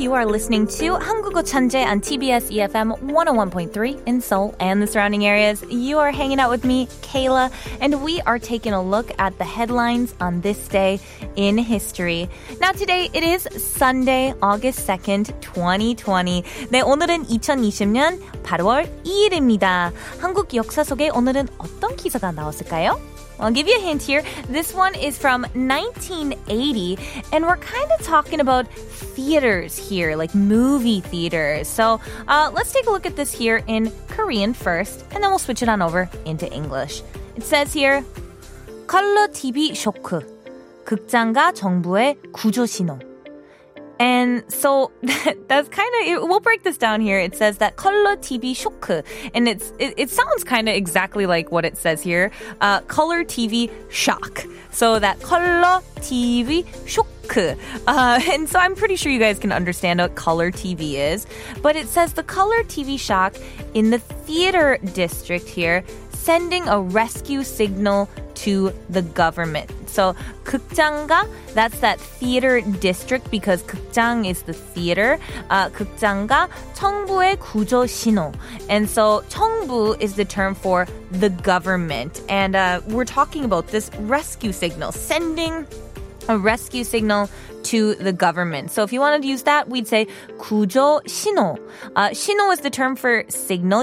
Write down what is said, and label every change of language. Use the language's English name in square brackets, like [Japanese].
[English] You are listening to 한국어 천재 on TBS EFM 101.3 in Seoul and the surrounding areas. You are hanging out with me, Kayla, and we are taking a look at the headlines on this day in history. Now today, it is Sunday, August 2nd, 2020. [Korean] 네, 오늘은 2020년 8월 2일입니다. 한국 역사 속에 오늘은 어떤 기사가 나왔을까요? [English] I'll give you a hint here. This one is from 1980, and we're kind of talking about theaters here, like movie theaters. So let's take a look at this here in Korean first, and then we'll switch it on over into English. It says here, Color TV shock. [Korean] 극장과 정부의 구조 신호. [English] And so that's kind of, we'll break this down here. It says that color TV shock. And it sounds kind of exactly like what it says here. Color TV shock. So that color TV shock. And so I'm pretty sure you guys can understand what color TV is. But it says the color TV shock in the theater district here, sending a rescue signal to the government. So 극장가, that's that theater district, because 극장 is the theater. [Korean] 극장가 정부의 구조 신호. [English] And so 정부 is the term for the government. And we're talking about this rescue signal, sending a rescue signal to the government. So if you wanted to use that, we'd say 구조 신호. 신호 is the term for signal.